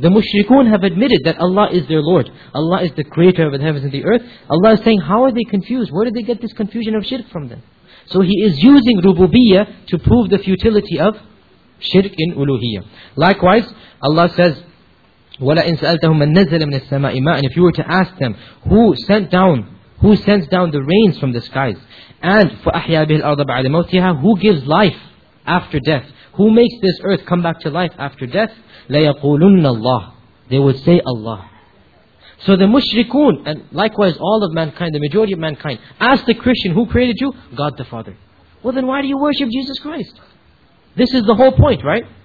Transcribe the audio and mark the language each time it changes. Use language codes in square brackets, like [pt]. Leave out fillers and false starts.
[en] The mushrikun have admitted that Allah is their Lord. Allah is the creator of the heavens and the earth. Allah is saying, how are they confused? Where did they get this confusion of shirk from them? So he is using rububiyyah to prove the futility of shirk in uluhiyyah. Likewise, Allah says, [ar] وَلَئِنْ سَأَلْتَهُمْ مَنْ نَزَلَ مِنَ السَّمَاءِ مَاءً. [en] And if you were to ask them, who sends down the rains from the skies? And [ar] فَأَحْيَى بِهِ الْأَرْضَ بَعْدَ مَوْتِهَا. [en] Who gives life after death? Who makes this earth come back to life after death? [ar] لَيَقُولُنَّ اللَّهِ. [en] They would say Allah. So the mushrikun, and likewise all of mankind, the majority of mankind, ask the Christian, who created you? God the Father. Well then why do you worship Jesus Christ? This is the whole point, right?